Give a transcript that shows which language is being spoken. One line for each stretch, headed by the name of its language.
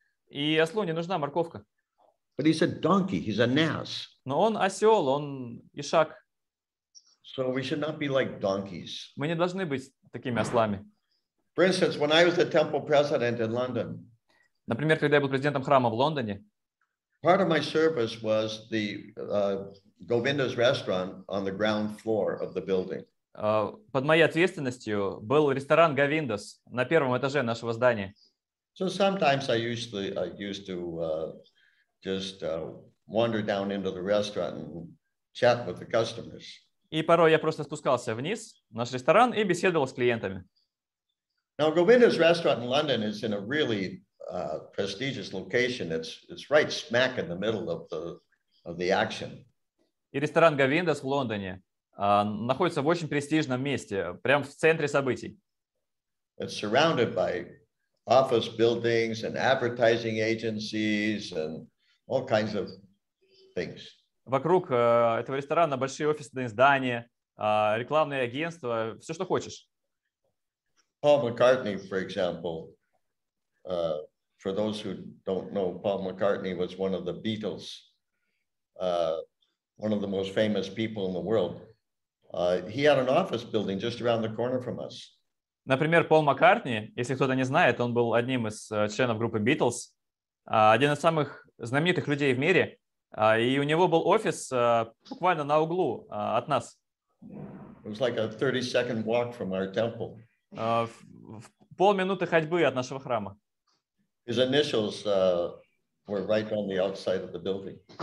Russian: И ослу не нужна морковка.
English: But he's a donkey, he's an ass.
Russian: Но он осел, он ишак.
English: So we should not be like donkeys.
Russian: Мы не должны быть такими ослами.
English: For instance, when I was the temple president in London.
Russian: Например, когда я был президентом храма в Лондоне.
English: Part of my service was the Govinda's restaurant on the ground floor of the building.
Russian: Под моей ответственностью был ресторан Govinda's на первом этаже нашего здания.
English: So sometimes I used to wander down into the restaurant and chat with the customers.
Russian: И порой я просто спускался вниз в наш ресторан и беседовал с клиентами.
English: Now Govinda's restaurant in London is in a really prestigious location. It's right smack in the middle of the action.
Russian: И ресторан Govinda's в Лондоне находится в очень престижном месте, прямо в центре событий.
English: It's surrounded by office buildings and advertising agencies and all kinds of things.
Russian: Вокруг этого ресторана большие офисные здания, рекламные агентства, все что хочешь.
English: Paul McCartney, for example. For those who don't know, Paul McCartney was one of the Beatles, one of the most famous people in the world. He had an office building just around the corner from us.
Russian: Например, Пол Маккартни, если кто-то не знает, он был одним из членов группы Beatles, один из самых знаменитых людей в мире, и у него был офис буквально на углу от нас.
English: It was like a 30-second walk from our temple.
Russian: В полминуты ходьбы от нашего храма.
English: His initials were right on the outside of the building.